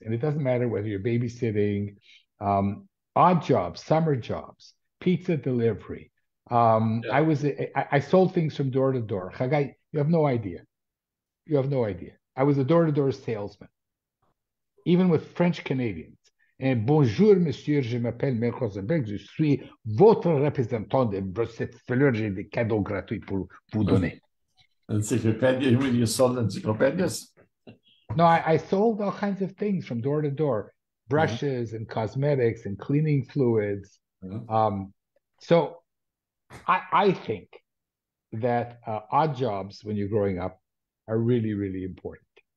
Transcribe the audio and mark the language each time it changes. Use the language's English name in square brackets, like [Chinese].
[English] And it doesn't matter whether you're babysitting, odd jobs, summer jobs, pizza delivery. Yeah. I sold things from door to door. Hagai, you have no idea. You have no idea. I was a door-to-door salesman, even with French Canadians. [French] And bonjour, monsieur, je m'appelle Mel Rosenberg, je suis votre représentant de cette fleur de cadeau gratuit pour vous donner. [English] Encyclopedias, when you sold encyclopedias? No, I sold all kinds of things from door to door, brushes mm-hmm. and cosmetics and cleaning fluids. Mm-hmm. So I think that odd jobs when you're growing up are really, really important.